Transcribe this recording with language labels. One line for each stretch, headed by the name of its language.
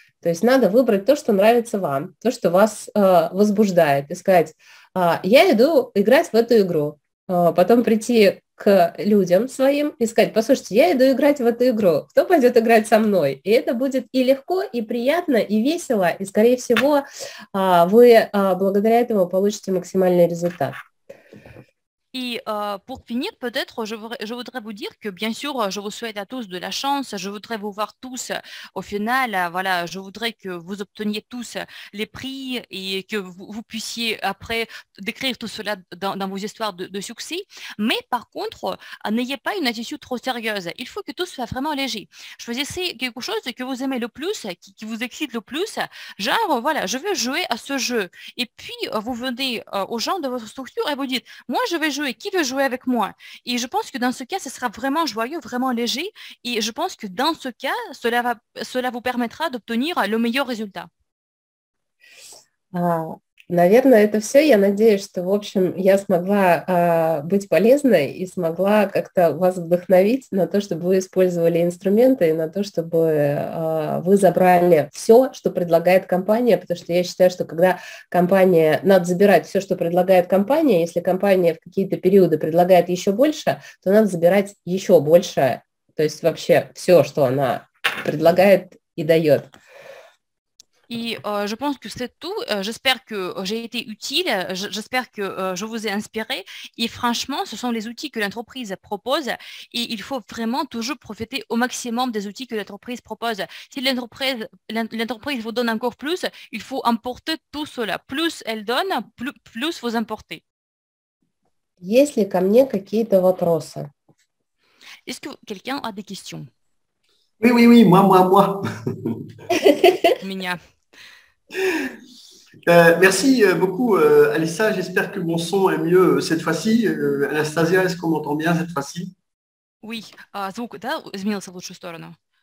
Russian: То есть надо выбрать то, что нравится вам, то, что вас возбуждает, и сказать, я иду играть в эту игру, потом прийти к людям своим и сказать: послушайте, я иду играть в эту игру, кто пойдет играть со мной? И это будет и легко, и приятно, и весело, и, скорее всего, вы благодаря этому получите максимальный результат.
French: Et pour finir, peut-être, je voudrais vous dire que, bien sûr, je vous souhaite à tous de la chance, je voudrais vous voir tous au final, voilà, je voudrais que vous obteniez tous les prix et que vous puissiez après décrire tout cela dans vos histoires de succès. Mais par contre, n'ayez pas une attitude trop sérieuse, il faut que tout soit vraiment léger. Choisissez quelque chose que vous aimez le plus, qui vous excite le plus, genre, voilà, je veux jouer à ce jeu. Et puis, vous venez aux gens de votre structure et vous dites, moi, je veux jouer, qui veut jouer avec moi? Et je pense que dans ce cas, ce sera vraiment joyeux, vraiment léger, et je pense que dans ce cas, cela vous permettra d'obtenir le meilleur résultat.
Russian: Наверное, это все. Я надеюсь, что, в общем, я смогла быть полезной и смогла как-то вас вдохновить на то, чтобы вы использовали инструменты, и на то, чтобы вы забрали все, что предлагает компания, потому что я считаю, что когда компания... Надо забирать все, что предлагает компания. Если компания в какие-то периоды предлагает еще больше, то надо забирать еще больше, то есть вообще все, что она предлагает и дает.
French: Et je pense que c'est tout. J'espère que j'ai été utile. J'espère que je vous ai inspiré. Et franchement, ce sont les outils que l'entreprise propose. Et il faut vraiment toujours profiter au maximum des outils que l'entreprise propose. Si l'entreprise vous donne encore plus, il faut emporter tout cela. Plus elle donne, plus vous emportez. Есть ли ко мне какие-то вопросы? Est-ce que quelqu'un a des questions? Oui, oui, oui, moi.
Russian: Меня.
French: Merci beaucoup, Alissa. J'espère que mon son est mieux cette fois-ci. Anastasia, est-ce qu'on m'entend bien cette fois-ci? Oui,
Russian: звук, да, изменился в лучшую сторону.